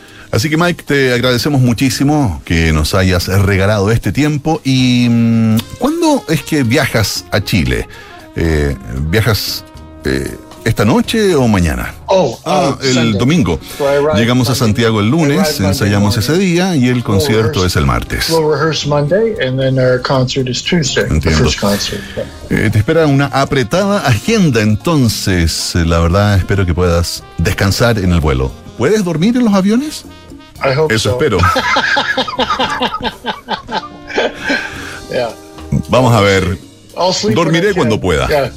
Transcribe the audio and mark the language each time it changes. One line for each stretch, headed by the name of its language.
Spanish: Así que Mike, te agradecemos muchísimo que nos hayas regalado este tiempo. ¿Y cuándo es que viajas a Chile? ¿Viajas esta noche o mañana? El domingo. Llegamos a Santiago el lunes, ensayamos ese día y el concierto es el martes.
English: We'll rehearse Monday and then our concert is Tuesday.
Spanish: Entiendo. Te espera una apretada agenda, entonces la verdad espero que puedas descansar en el vuelo. ¿Puedes dormir en los aviones? Eso espero. Vamos a ver. Dormiré cuando pueda.